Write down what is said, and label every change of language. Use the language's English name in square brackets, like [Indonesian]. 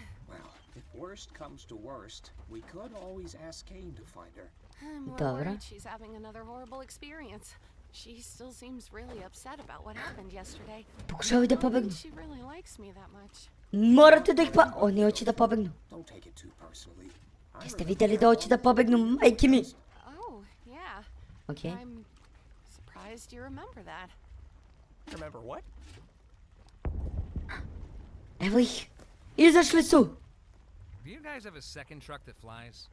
[English] Well, if worst comes to worst, we could always ask Kane to find her. [Serbian] Dobro. [English] She's having another horrible experience. She still seems really upset about what happened yesterday. [Serbian] Pokušavaju da pobegnu. [English] She really likes me that much. [Serbian] Morate da ih pa... Oni hoće da pobegnu. [English] Don't take it too personally. [Serbian] Jeste vidjeli da hoće da pobegnu, majke mi? [English] Oh, yeah. Okay. I'm surprised you remember that. Remember what? [Serbian] Evo ih. Izašli su. [English] Do you guys have a second truck that flies?